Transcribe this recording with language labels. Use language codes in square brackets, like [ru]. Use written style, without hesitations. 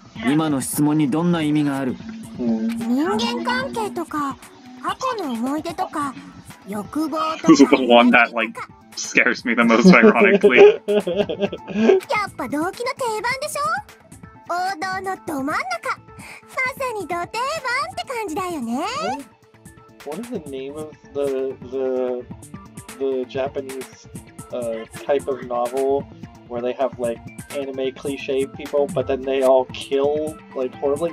[ja] 今の質問にどんな意味がある？人間関係とか、過去の思い出とか、欲望とか。 [en] Who's the one that like scares me the most ironically? [ja] やっぱ動機の定番でしょ？王道のど真ん中、まさにど定番って感じだよね。 [en] What is the name of the Japanese type of novel where they have like anime cliche people, but then they all kill like horribly?